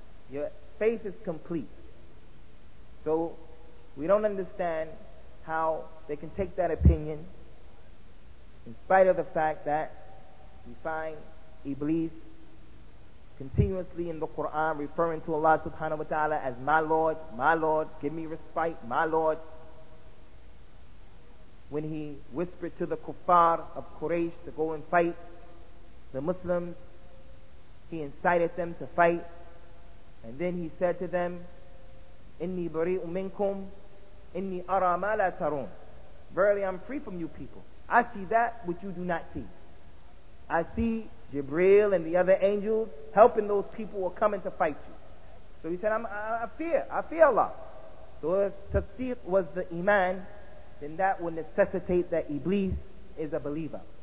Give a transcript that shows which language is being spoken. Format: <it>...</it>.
<en>Your faith is complete. So we don't understand how they can take that opinion, in spite of the fact that we find Iblis continuously in the Quran referring to Allah subhanahu wa ta'ala as my Lord, give me respite, my Lord. When he whispered to the kuffar of Quraysh to go and fight the Muslims, he incited them to fight.</en> <ar>And then he said to them, إِنِّي بَرِيءٌ مِنْكُمْ إِنِّي أَرَى مَا لَا تَرُونَ.</ar> <en>Verily, I'm free from you people. I see that which you do not see. I see Jibreel and the other angels helping those people who are coming to fight you. So he said, I fear Allah. So if tasdeeq was the iman, then that would necessitate that Iblis is a believer.</en>